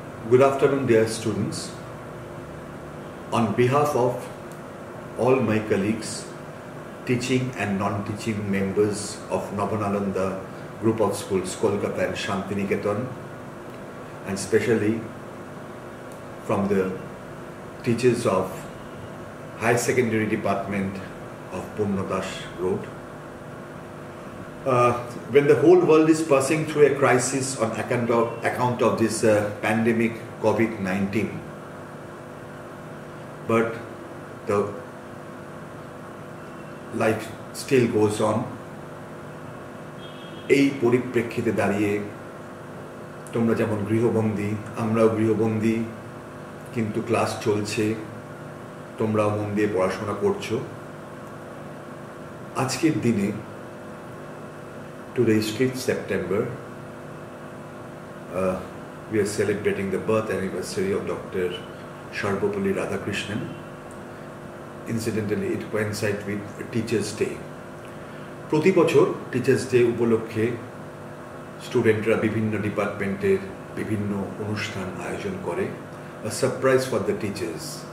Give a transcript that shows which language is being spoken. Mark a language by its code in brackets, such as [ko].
[en] good afternoon dear students, on behalf of all my colleagues, teaching and non-teaching members of Nabanalanda group of schools, Kolkata and Shantiniketan, and specially from the teachers of higher secondary department of Purnadas road. When the whole world is passing through a crisis on account of this pandemic COVID-19, but the life still goes on, [bn] এই পরিপ্রেক্ষিতে দাঁড়িয়ে তোমরা যেমন গৃহবন্দী, আমরাও গৃহবন্দী, কিন্তু class চলছে, তোমরাও মন দিয়ে পড়াশোনা করছো। আজকের দিনে [en] Today is 5th September, we are celebrating the birth anniversary of doctor Sarvepalli Radhakrishnan. Incidentally it coincide with teachers day. [bn] প্রতি বছর টিচার্স ডে উপলক্ষে স্টুডেন্টরা বিভিন্ন ডিপার্টমেন্টের বিভিন্ন অনুষ্ঠান আয়োজন করে, [en] A surprise for the teachers.